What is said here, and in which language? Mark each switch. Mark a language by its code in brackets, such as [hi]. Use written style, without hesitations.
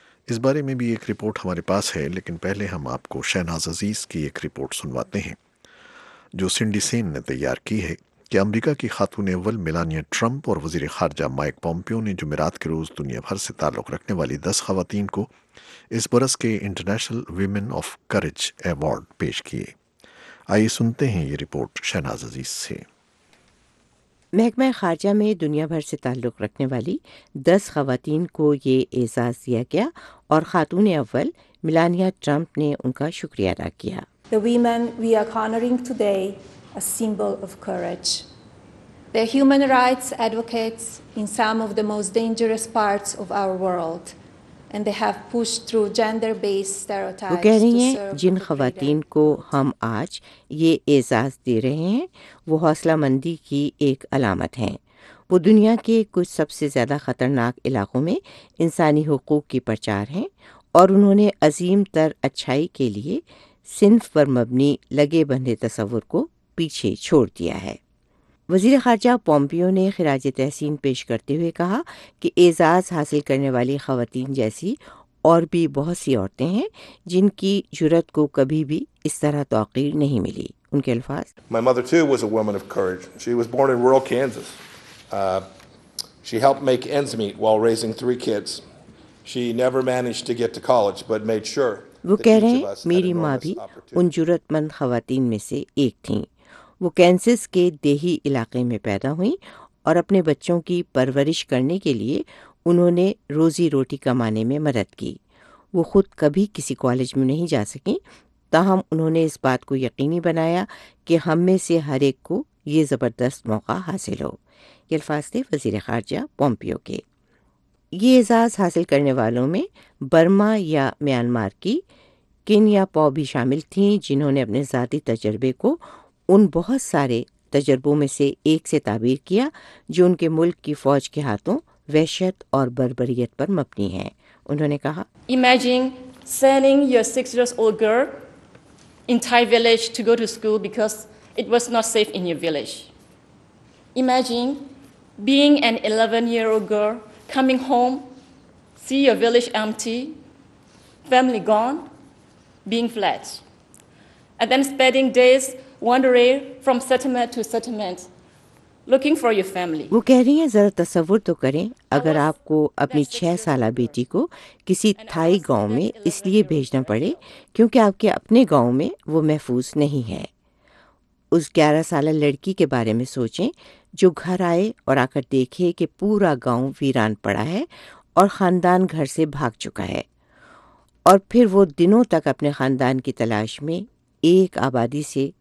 [ur] اس بارے میں بھی ایک رپورٹ ہمارے پاس ہے، لیکن پہلے ہم آپ کو شہناز عزیز کی ایک رپورٹ سنواتے ہیں جو سنڈی سین نے تیار کی ہے کہ امریکہ کی خاتون اول میلانیا ٹرمپ اور وزیر خارجہ مائیک پومپیو نے جمعرات کے روز دنیا بھر سے تعلق رکھنے والی 10 خواتین کو اس برس کے international women of courage award پیش کیے. آئیے سنتے ہیں یہ رپورٹ شہناز عزیز سے. محکمہ خارجہ میں دنیا بھر سے تعلق رکھنے والی 10 خواتین کو یہ اعزاز دیا گیا اور خاتون اول میلانیا ٹرمپ نے ان کا شکریہ ادا کیا. [en] The women we are honoring today, a symbol of courage. They're human rights advocates in some of the most dangerous parts of our world. And they have pushed through gender-based stereotypes. [ur] وہ کہہ رہی ہیں جن خواتین کو ہم آج یہ اعزاز دے رہے ہیں وہ حوصلہ مندی کی ایک علامت ہیں. وہ دنیا کے کچھ سب سے زیادہ خطرناک علاقوں میں انسانی حقوق کی پرچار ہیں اور انہوں نے عظیم تر اچھائی کے لیے صنف پر مبنی لگے بندھے تصور کو پیچھے چھوڑ دیا ہے. وزیر خارجہ پومپیو نے خراج تحسین پیش کرتے ہوئے کہا کہ اعزاز حاصل کرنے والی خواتین جیسی اور بھی بہت سی عورتیں ہیں جن کی جرات کو کبھی بھی اس طرح توقیر نہیں ملی. ان کے الفاظ، [en] My mother too was a woman of courage. She was born in rural Kansas. She helped make ends meet while raising 3 kids. She never managed to get to college but made sure. [ur] وہ کہہ رہے ہیں میری ماں بھی ان جرات مند خواتین میں سے ایک تھیں. وہ کینسس کے دیہی علاقے میں پیدا ہوئیں اور اپنے بچوں کی پرورش کرنے کے لیے انہوں نے روزی روٹی کمانے میں مدد کی. وہ خود کبھی کسی کالج میں نہیں جا سکیں، تاہم انہوں نے اس بات کو یقینی بنایا کہ ہم میں سے ہر ایک کو یہ زبردست موقع حاصل ہو. یہ الفاظ تھے وزیر خارجہ پومپیو کے. یہ اعزاز حاصل کرنے والوں میں برما یا میانمار کی کن یا پاؤ بھی شامل تھیں، جنہوں نے اپنے ذاتی تجربے کو ان بہت سارے تجربوں میں سے ایک سے تعبیر کیا جو ان کے ملک کی فوج کے ہاتھوں وحشت اور بربریت پر مبنی ہیں. انہوں نے کہا، [en] Imagine selling your 6-year-old girl in Thai village to go to school because it was not safe in your village. Imagine being an 11-year-old girl coming home, see your village empty, family gone, being fled. And then spending days wandering from settlement to settlement, looking for your family. [ur] وہ کہہ رہی ہیں ذرا تصور تو کریں اگر آپ کو اپنی 6 سالہ بیٹی کو کسی تھائی گاؤں میں اس لیے بھیجنا پڑے کیونکہ آپ کے اپنے گاؤں میں وہ محفوظ نہیں ہے. اس 11 سالہ لڑکی کے بارے میں سوچیں جو گھر آئے اور آ کر دیکھے کہ پورا گاؤں ویران پڑا ہے اور خاندان گھر سے بھاگ چکا ہے، اور پھر وہ دنوں تک اپنے خاندان کی تلاش میں ایک آبادی سے